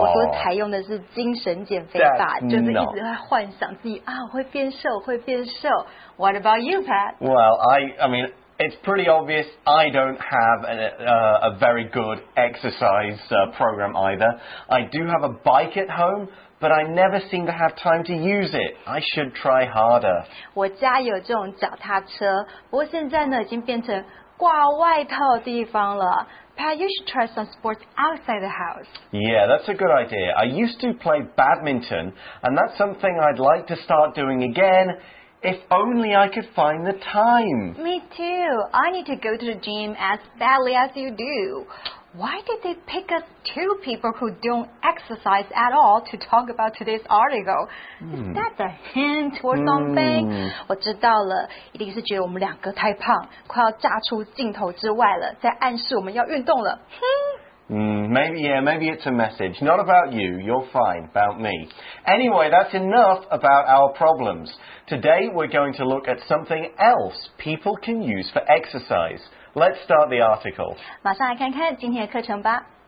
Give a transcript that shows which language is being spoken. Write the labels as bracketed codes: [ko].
[zh] 我所采用的是精神减肥法，就是一直在幻想自己啊，会变瘦，会变瘦。 [en] What about you, Pat? Well, I mean... It's pretty obvious I don't have a very good exercise program either. I do have a bike at home, but I never seem to have time to use it. I should try harder. [zh] 我家有这种脚踏车，不过现在呢，已经变成挂外套的地方了。 [en] Pat, you should try some sports outside the house. Yeah, that's a good idea. I used to play badminton, and that's something I'd like to start doing again. If only I could find the time. Me too. I need to go to the gym as badly as you do. Why did they pick us two people who don't exercise at all to talk about today's article? Is that a hint or something? [zh] 我知道了，一定是觉得我们两个太胖，快要炸出镜头之外了，在暗示我们要运动了。 [en] Maybe it's a message. Not about you, you're fine, about me. Anyway, that's enough about our problems. Today we're going to look at something else people can use for exercise. Let's start the article. [zh] 马上来看看今天的课程吧。